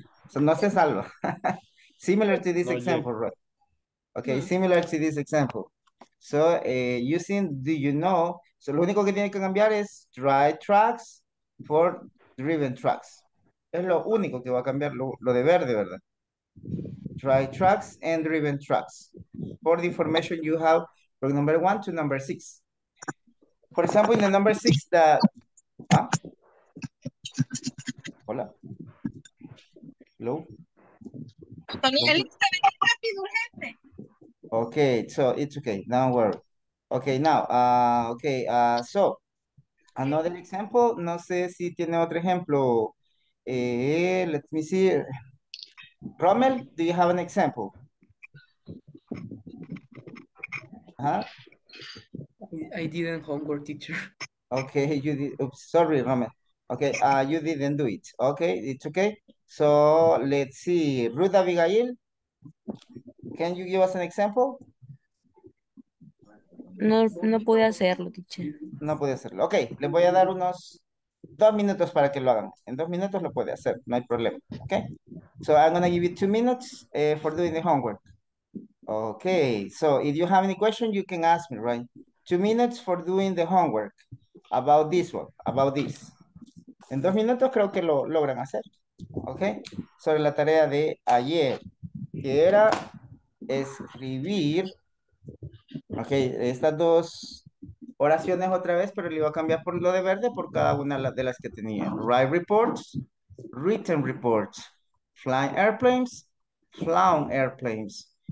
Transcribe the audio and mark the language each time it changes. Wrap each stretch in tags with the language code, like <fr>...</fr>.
<en>So,</en> <es>no se salva.</es> <en>Similar to this example, right? Okay, no. Similar to this example. So, using do you know?</en> <es>So, lo único que tiene que cambiar es</es> <en>drive trucks for driven trucks.</en> <es>Es lo único que va a cambiar, lo de verde, ¿verdad?</es> <en>Drive trucks and driven trucks. For the information you have from number 1 to number 6. For example, in the number 6, Hola. Hello. Okay, so it's okay. Don't worry. Okay, now, so another example.</en> <es>No sé si tiene otro ejemplo.</es> <en>Let me see. Rommel, do you have an example? I didn't homework, teacher. Okay, you did. Oops, sorry, Rommel. Okay, you didn't do it. Okay, it's okay. So let's see. Ruth Abigail, can you give us an example?</en> <es>No, no pude hacerlo, teacher. No pude hacerlo. Okay, le voy a dar unos 2 minutos para que lo hagan. En 2 minutos lo puede hacer, no hay problema.</es> <en>Okay. So I'm going to give you 2 minutes for doing the homework. Okay, so if you have any question, you can ask me, right? 2 minutes for doing the homework about this one, about this.</en> <es>En 2 minutos creo que lo logran hacer. Okay, sobre la tarea de ayer, que era escribir. Okay, estas dos oraciones otra vez, pero le iba a cambiar por lo de verde por cada una de las que tenía.</es> <en>Write reports, written reports. Flying airplanes, flown airplanes.</en>